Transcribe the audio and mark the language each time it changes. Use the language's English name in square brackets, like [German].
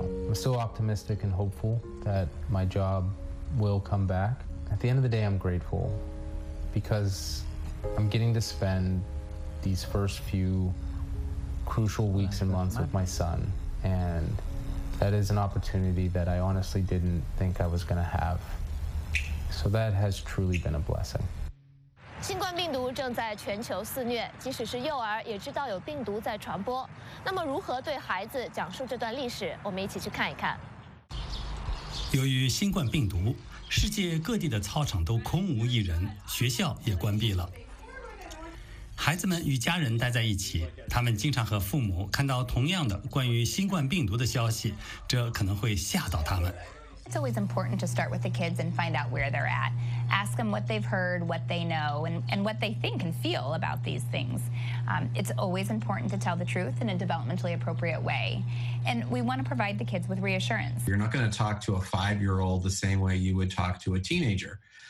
[English] I'm still optimistic and hopeful that my job will come back. At the end of the day, I'm grateful because I'm getting to spend these first few crucial weeks and months with my son, and that is an opportunity that I honestly didn't think I was going to have. So that has truly been a blessing. [Chinese] 新冠病毒正在全球肆虐, 即使是幼儿也知道有病毒在传播。那么如何对孩子讲述这段历史, 我们一起去看一看。由于新冠病毒, 世界各地的操场都空无一人, 学校也关闭了。孩子们与家人待在一起, 他们经常和父母看到同样的关于新冠病毒的消息, 这可能会吓到他们。 [English] It's always important to start with the kids and find out where they're at. Ask them what they've heard, what they know, and what they think and feel about these things. It's always important to tell the truth in a developmentally appropriate way. And we want to provide the kids with reassurance. You're not going to talk to a five-year-old the same way you would talk to a teenager.